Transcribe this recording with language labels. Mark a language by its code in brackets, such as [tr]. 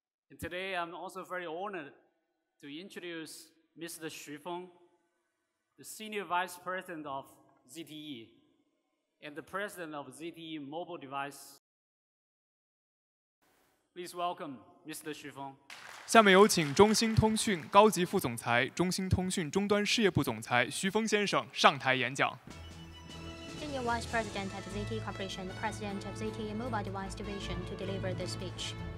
[en] And today, I'm also very honored to introduce Mr. Xu Feng, the Senior Vice President of ZTE and the President of ZTE Mobile Device. Please welcome Mr. Xu Feng. [zh] 下面有请中兴通讯高级副总裁、中兴通讯终端事业部总裁徐峰先生上台演讲。 [en] Senior Vice President at ZTE Corporation, the President of ZTE Mobile Device Division, to deliver the speech.